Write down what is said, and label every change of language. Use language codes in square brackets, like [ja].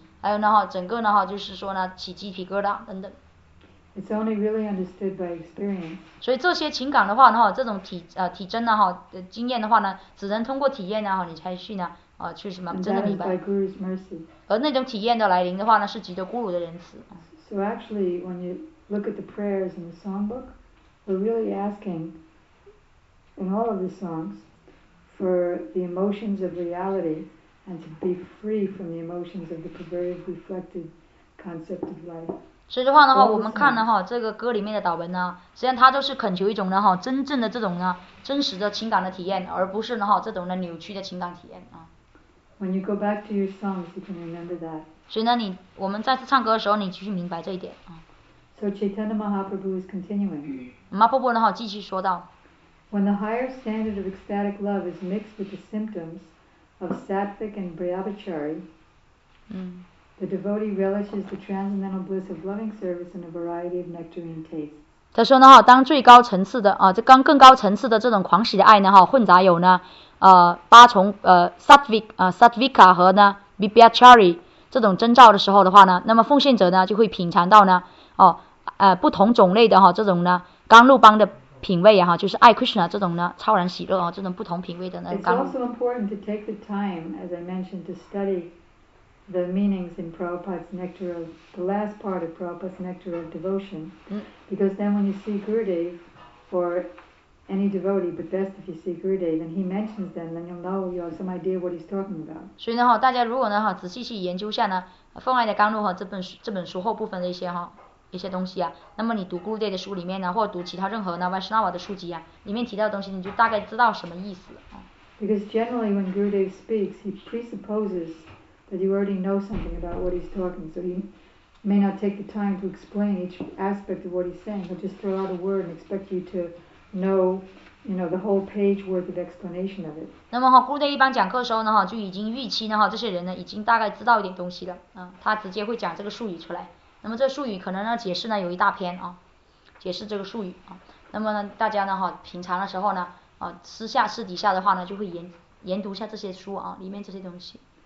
[zh] 还有呢哈，整个呢哈，就是说呢起鸡皮疙瘩等等。 [en] It's only really understood by experience. [zh] 所以这些情感的话呢哈，这种体征呢哈，经验的话呢，只能通过体验呢哈，你才去呢。啊，去什么？真的明白。而那种体验的来临的话呢，是极度孤独的仁慈。 [en] So actually, when you look at the prayers in the songbook, we're really asking in all of the songs for the emotions of reality and to be free from the emotions of the perverted reflected concept of life. [zh] 所以的话呢，我们看呢，哈，这个歌里面的祷文呢，实际上它就是恳求一种呢，哈，真正的这种呢，真实的情感的体验，而不是呢，哈，这种的扭曲的情感体验啊。 [en] When you go back to your songs, you can remember that. [zh] 所以呢，我们再次唱歌的时候，你继续明白这一点啊。 [en] So Chaitanya Mahaprabhu is continuing. [zh] Mahaprabhu 呢，哈，继续说道。 [en] When the higher standard of ecstatic love is mixed with the symptoms of sattvic and brahmachari. The devotee relishes the transcendental bliss of loving service in a variety of nectarine tastes. [zh] 他说呢，当最高层次的啊，这刚更高层次的这种狂喜的爱呢，哈，混杂有呢，八重sattvika 和呢 vibhachari 这种征兆的时候的话呢，那么奉献者呢就会品尝到呢，不同种类的哈，这种呢甘露般的品味哈，就是爱 Krishna 这种呢超然喜乐啊，这种不同品味的那甘露。 [en] It's also important to take the time, as I mentioned, to study. The meanings in Prabhupada's Nectar of the last part of Prabhupada's Nectar of Devotion, because then when you see Gurudev, or any devotee, but best if you see Gurudev, and he mentions them, then you'll know you have some idea what he's talking about. [zh] 所以呢哈，大家如果呢哈仔细去研究下呢《奉爱的甘露》哈这本书后部分的一些东西啊，那么你读 Gurudev 的书里面呢，或读其他任何呢 Vaishnava 的书籍啊，里面提到的东西，你就大概知道什么意思啊。 [en] Because generally when Gurudev speaks, he presupposes. That you already know something about what he's talking, so he may not take the time to explain each aspect of what he's saying. He'll just throw out a word and expect you to know, you know, the whole page worth of explanation of it. [zh] 那么哈，古德一般讲课的时候呢，哈，就已经预期呢，哈，这些人呢，已经大概知道一点东西了。嗯，他直接会讲这个术语出来。那么这术语可能呢，解释呢有一大篇啊，解释这个术语啊。那么呢，大家呢，哈，平常的时候呢，啊，私底下的话呢，就会研读一下这些书啊，里面这些东西。